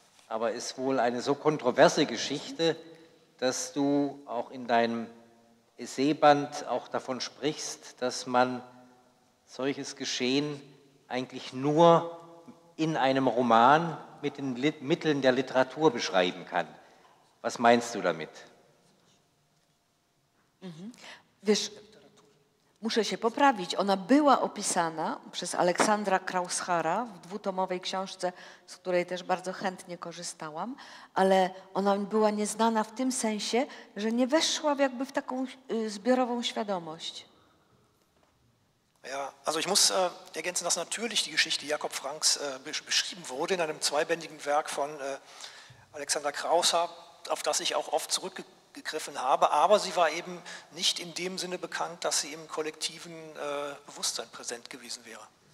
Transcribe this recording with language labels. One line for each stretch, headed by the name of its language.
German: Aber ist wohl eine so kontroverse Geschichte, dass du auch in deinem Essayband auch davon sprichst, dass man solches Geschehen eigentlich nur in einem Roman mit den Mitteln der Literatur beschreiben kann. Was meinst du damit?
Polish: Wiesz, muszę się poprawić. Ona była opisana przez Aleksandra Krauschara w dwutomowej książce, z której też bardzo chętnie korzystałam, ale ona była nieznana w tym sensie, że nie weszła jakby w taką zbiorową świadomość.
German: Ja, also ich muss ergänzen, dass natürlich die Geschichte Jakob Franks beschrieben wurde in einem zweibändigen Werk von Alexander Krauschara, auf das ich auch oft zurückgegriffen habe, aber sie war eben nicht in dem Sinne bekannt, dass sie im kollektiven Bewusstsein präsent gewesen wäre.